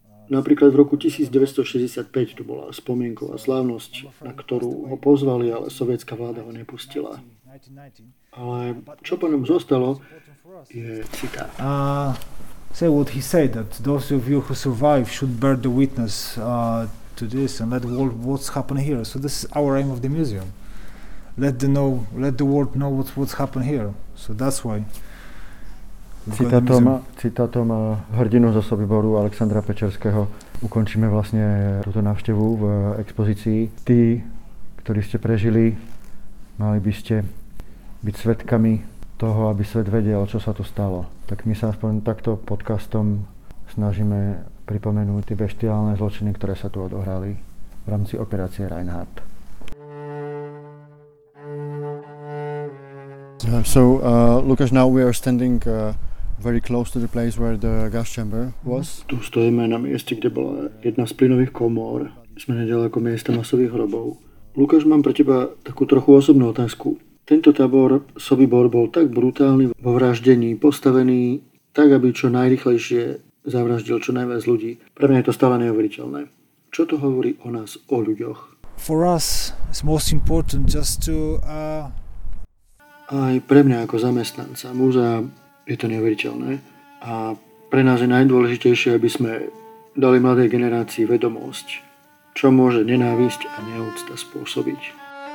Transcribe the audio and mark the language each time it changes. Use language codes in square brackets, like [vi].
[sk] Napríklad v roku 1965 tu bola spomienková slávnosť, na ktorú ho pozvali, ale sovietská vláda ho nepustila. Ale čo po ňom zostalo, je citát. [en] Say what he said, that those of you who survive should bear the witness to this and let the world what's happened here. So this is our aim of the museum. Let the world know what's happened here. So that's why. [sk] Citátom hrdinu zo Sobiboru Alexandra Pečerského ukončíme vlastne túto návštevu v expozícii. Tí, ktorí ste prežili, mali by ste byť svedkami toho, aby svet vedel, čo sa tu stalo. Tak my sa aspoň takto podcastom snažíme pripomenúť tie beštiálne zločiny, ktoré sa tu odohrali v rámci operácie Reinhard. [en] Lukáš, now we are standing very close to the place where the gas chamber was. [sk] Tu stojíme na mieste, kde bola jedna z plynových komor. Sme nedaleko miesta masových hrobov. Lukáš, mám pre teba takú trochu osobnú otázku. Tento tábor Sobibor bol tak brutálny vo vraždení, postavený tak, aby čo najrychlejšie zavraždil čo najviac ľudí. Pre mňa je to stále neuveriteľné. Čo to hovorí o nás, o ľuďoch? [en] For us it's most important just to [sk] Aj pre mňa ako zamestnanca múzea je to neuveriteľné a pre nás je najdôležitejšie, aby sme dali mladej generácii vedomosť, čo môže nenávisť a neúcta spôsobiť.